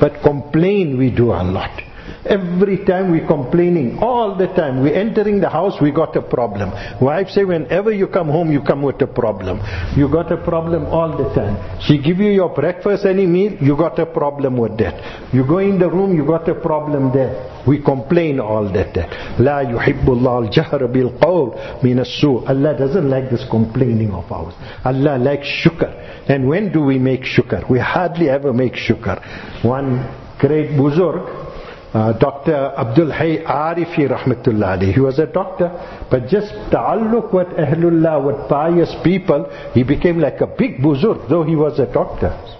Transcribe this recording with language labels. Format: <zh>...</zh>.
<en>But complain we do a lot. Every time we're complaining, all the time, we're entering the house, we got a problem. Wife say, whenever you come home, you come with a problem. You got a problem all the time. She give you your breakfast, any meal, you got a problem with that. You go in the room, you got a problem there. We complain all the time.</en> <ar>لا يحب الله الجهر بالقول من السوء.</ar> <en>Allah doesn't like this complaining of ours. Allah likes shukr. And when do we make shukr? We hardly ever make shukr. One great buzurg, Dr. Abdul Hay Arifi Rahmatullah Ali. He was a doctor, but just ta'alluq with Ahlullah, with pious people, he became like a big buzurg, though he was a doctor.</en>